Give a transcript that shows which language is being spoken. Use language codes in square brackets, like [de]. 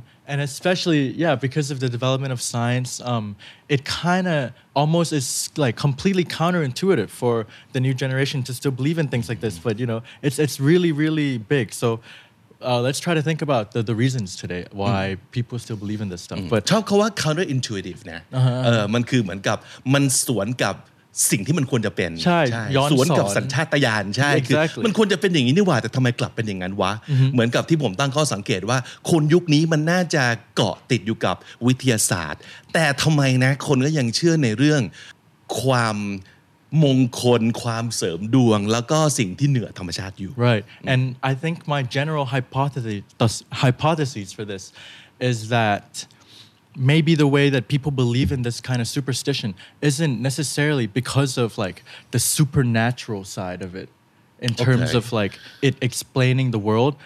[en] And especially, yeah, because of the development of science, it kind of almost is like completely counterintuitive for the new generation to still believe in things like this. But, you know, it's really, really big. So let's try to think about the reasons today why people still believe in this stuff. But [th] ชอบคำว่า counterintuitive นะมันคือเหมือนกับมันสวนกับสิ่งที่มันควรจะเป็น ใช่ สวนกับสัญชาตญาณใช่ คือ มันควรจะเป็นอย่างนี้นี่หว่าแต่ทำไมกลับเป็นอย่างนั้นวะเหมือนกับที่ผมตั้งข้อสังเกตว่าคนยุคนี้มันน่าจะเกาะติดอยู่กับวิทยาศาสตร์แต่ทำไมนะคนก็ยังเชื่อในเรื่องความมงคลความเสริมดวงแล้วก็สิ่งที่เหนือธรรมชาติอยู่ [en] right and I think my general hypothesis for this is thatMaybe the way that people believe in this kind of superstition isn't necessarily because of like the supernatural side of it in terms of like it explaining the world.